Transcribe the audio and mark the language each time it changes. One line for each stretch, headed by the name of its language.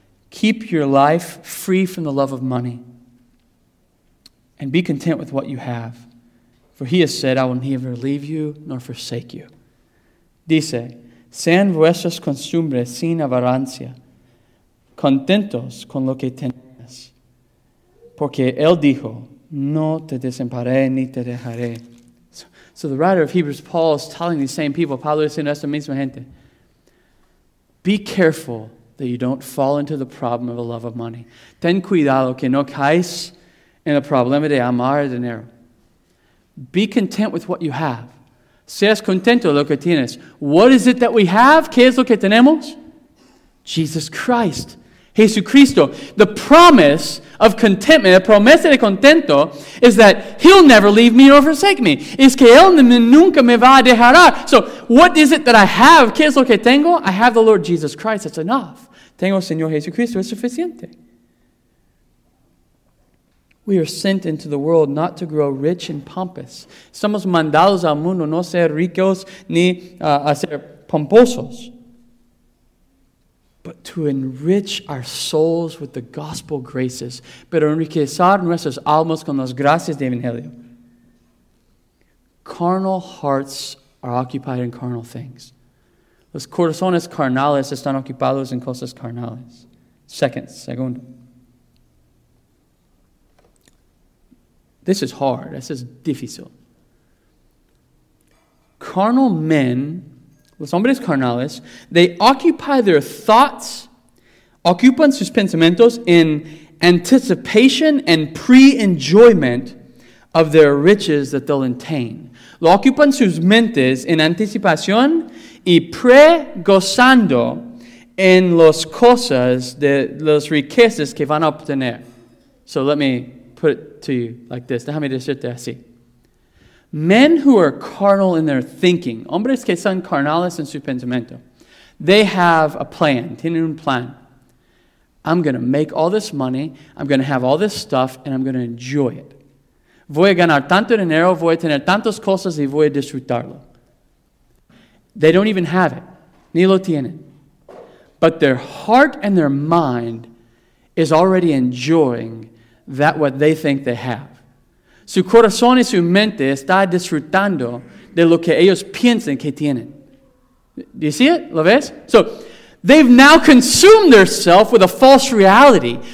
English: Keep your life free from the love of money and be content with what you have. For he has said, I will neither leave you nor forsake you.
Spanish: Dice, sean vuestras costumbres sin avarancia, contentos con lo que tenéis. Porque él dijo, no te desampararé ni te dejaré.
English: So the writer of Hebrews, Paul, is telling these same people,
Spanish: Pablo diciendo a esta misma gente,
English: be careful that you don't fall into the problem of a love of money.
Spanish: Ten cuidado que no caes en el problema de amar el dinero.
English: Be content with what you have.
Spanish: Seas contento lo que tienes.
English: What is it that we have?
Spanish: ¿Qué es lo que tenemos?
English: Jesus Christ. Jesucristo. The promise of contentment,
Spanish: la promesa de contento,
English: is that he'll never leave me nor forsake me.
Spanish: Es que él nunca me va a dejar.
English: So what is it that I have?
Spanish: ¿Qué es lo que tengo?
English: I have the Lord Jesus Christ. That's enough.
Spanish: Tengo Señor Jesucristo, es suficiente.
English: We are sent into the world not to grow rich and pompous.
Spanish: Somos mandados al mundo no ser ricos ni a ser pomposos.
English: But to enrich our souls with the gospel graces.
Spanish: Pero enriquecer nuestras almas con las gracias del Evangelio.
English: Carnal hearts are occupied in carnal things.
Spanish: Los corazones carnales están ocupados en cosas carnales. Segundo.
English: This is hard. This is difícil. Carnal men,
Spanish: los hombres carnales,
English: they occupy their thoughts,
Spanish: ocupan sus pensamientos
English: in anticipation and pre-enjoyment of their riches that they'll attain.
Spanish: Lo ocupan sus mentes en anticipación y pre-gozando en las cosas de las riquezas que van a obtener.
English: So let me put it to you like this.
Spanish: Déjame decirte así.
English: Men who are carnal in their thinking,
Spanish: hombres que son carnales en su pensamiento,
English: they have a plan,
Spanish: tienen un plan.
English: I'm going to make all this money, I'm going to have all this stuff, and I'm going to enjoy it.
Spanish: Voy a ganar tanto dinero, voy a tener tantas cosas y voy a disfrutarlo.
English: They don't even have it.
Spanish: Ni lo tienen.
English: But their heart and their mind is already enjoying that what they think they have.
Spanish: Su corazón y su mente está disfrutando de lo que ellos piensan que tienen.
English: Do you see it?
Spanish: ¿Lo ves?
English: So, they've now consumed themselves with a false reality.